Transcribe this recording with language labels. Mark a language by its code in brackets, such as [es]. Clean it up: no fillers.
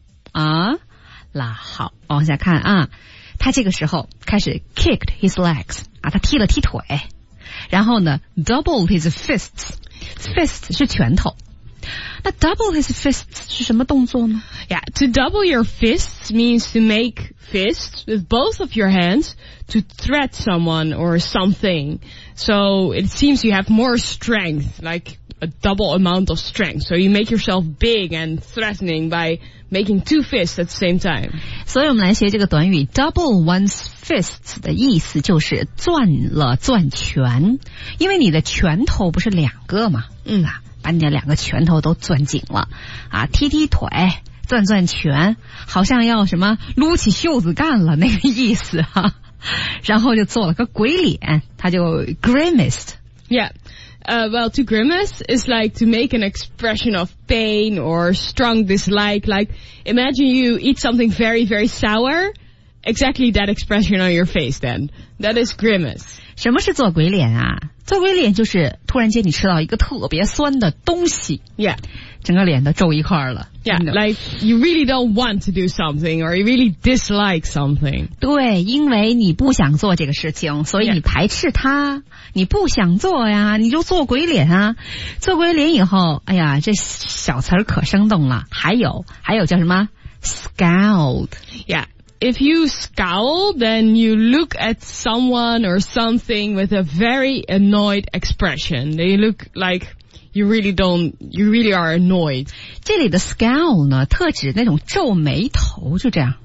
[zh] 啊？那好，往下看啊，他这个时候开始 [en] kicked his legs [zh] 啊，他踢了踢腿，然后呢 [en] doubled his fists， [zh] fists 是拳头，那 [en] double his fists [zh] 是什么动作呢？ [en] Yeah, to double your fists means to make fist with both of your hands to threat someone or something. So it seems you have more strength, like a double amount of strength. So you make yourself big and threatening by making two fists at the same time. [zh] 所以我们来学这个短语 [en] double one's fists [zh] 的意思就是攥了攥拳，因为你的拳头不是两个嘛，嗯啊，把你的两个拳头都攥紧了啊，踢踢腿，攥攥拳，好像要什么撸起袖子干了那个意思哈、啊，然后就做了个鬼脸，他就 grimaced。 [en] Yeah, well, to grimace is like to make an expression of pain or strong dislike. Like, imagine you eat something very, very sour. Exactly that expression on your face then. That is grimace. [zh] 什么是做鬼脸啊？做鬼脸就是突然间你吃到一个特别酸的东西。 [en] Yeah. [zh] 整个脸都皱一块了。 [en] Yeah, like you really don't want to do something or you really dislike something. [zh] 对，因为你不想做这个事情，所以你排斥它。你不想做呀，你就做鬼脸啊。做鬼脸以后，哎呀，这小词儿可生动了。还有叫什么 ?Scowled. [en] Yeah. If you scowl, then you look at someone or something with a very annoyed expression. They look like you really are annoyed. [zh] 这里的 scowl 呢，特指那种皱眉头，就这样。